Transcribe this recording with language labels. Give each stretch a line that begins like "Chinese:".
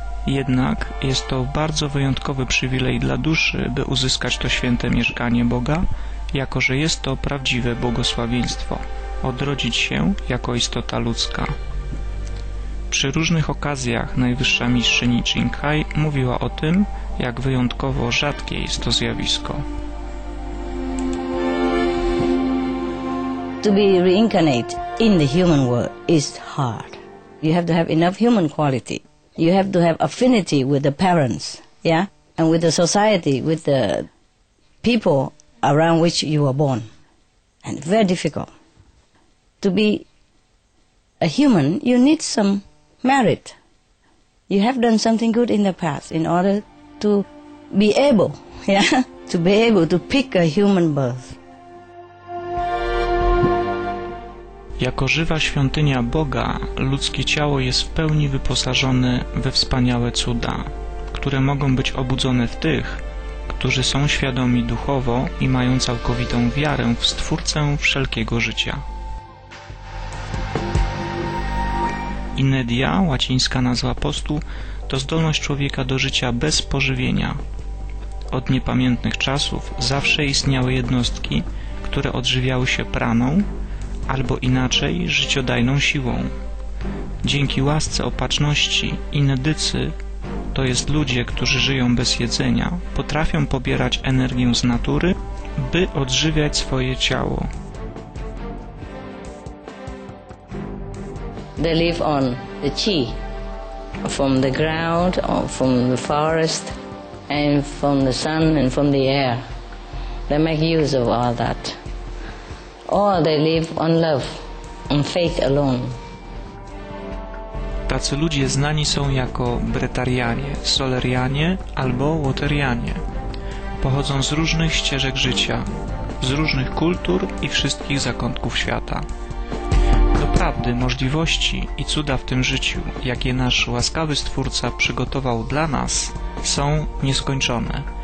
Polish: Jednak jest to bardzo wyjątkowy przywilej dla duszy, by uzyskać to święte mieszkanie Boga, jako że jest to prawdziwe błogosławieństwo – odrodzić się jako istota ludzka. Przy różnych okazjach najwyższa mistrzyni Qinghai mówiła o tym, jak wyjątkowo rzadkie jest to zjawisko.
English: To be reincarnate in the human world is hard. You have to have enough human quality. You have to have affinity with the parents, yeah? And with the society, with the people around which you were born. And very difficult. To be a human, you need some merit. You have done something good in the past in order to be able, yeah? To be able to pick a human birth.
Polish: Jako żywa świątynia Boga, ludzkie ciało jest w pełni wyposażone we wspaniałe cuda, które mogą być obudzone w tych, którzy są świadomi duchowo i mają całkowitą wiarę w Stwórcę wszelkiego życia. Inedia, łacińska nazwa postu, to zdolność człowieka do życia bez pożywienia. Od niepamiętnych czasów zawsze istniały jednostki, które odżywiały się praną, albo inaczej życiodajną siłą. Dzięki łasce opatrzności inedycy, to jest ludzie, którzy żyją bez jedzenia, potrafią pobierać energię z natury, by odżywiać swoje ciało.
English: They live on the chi, from the ground, from the forest, and from the sun and from the air. They make use of all that. Or they live on love, on faith alone.
Polish: Tacy ludzie znani są jako Bretarianie, Solerianie albo Waterianie. Pochodzą z różnych ścieżek życia, z różnych kultur i wszystkich zakątków świata. Doprawdy możliwości i cuda w tym życiu, jakie nasz łaskawy Stwórca przygotował dla nas, są nieskończone.